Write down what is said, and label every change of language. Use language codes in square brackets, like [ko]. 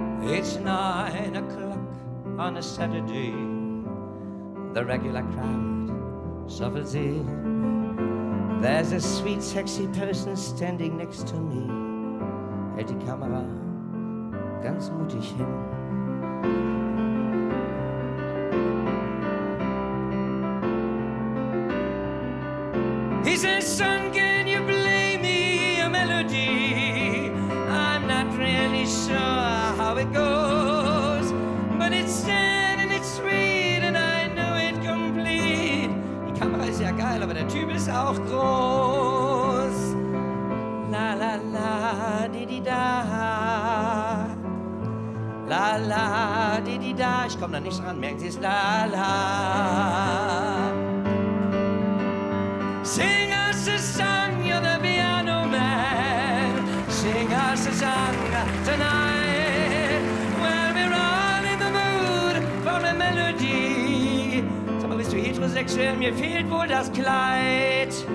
[en] It's 9 o'clock on a Saturday. The regular crowd shuffles in. There's a sweet, sexy person standing next to me. [de] Hält die Kamera ganz mutig hin. [en] He says, son, can you play me a melody? I'm not really sure how it goes, but it's sad and it's sweet and I know it complete. [de] Die Kamera ist ja geil, aber der Typ ist auch groß. La la la di di da. La la di di da. Ich komme da nicht ran, merken Sie es? La la. [en] Sing us a song, you're the piano man. Sing us a song tonight. Well, we're all in the mood for a melody. [de] Sag mal, bist du heterosexuell? Mir fehlt wohl das Kleid.